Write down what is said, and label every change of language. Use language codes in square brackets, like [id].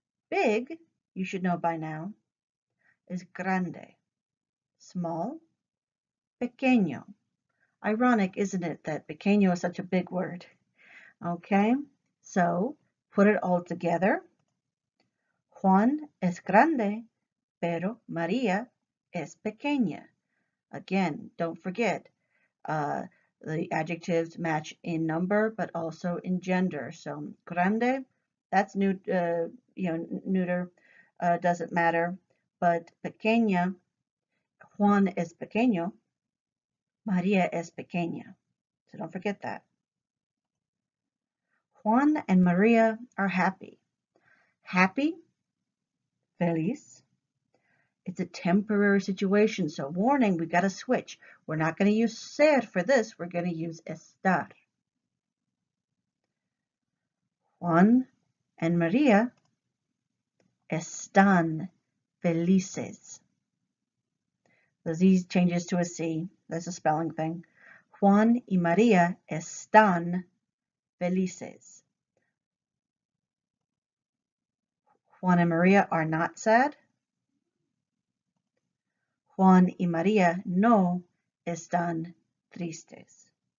[en] Big, you should know by now, is [es] grande. [en] Small, pequeño. Ironic, isn't it, that pequeño is such a big word? Okay, so put it all together. [es] Juan es grande, pero María es pequeña. [en] Again, don't forget, the adjectives match in number, but also in gender. So grande, that's new, neuter, doesn't matter. But [es] pequeña, Juan es pequeño, María es pequeña. [en] So don't forget that. Juan and Maria are happy. Happy, [es] feliz. [en] It's a temporary situation, so warning, we've got to switch. We're not going to use ser for this, we're going to use estar. [es] Juan [en] and [es] Maria están felices. [en] Those E changes to a C, that's a spelling thing. [es] Juan y Maria están felices. [en] Juan and Maria are not sad. [es] Juan y Maria no están tristes.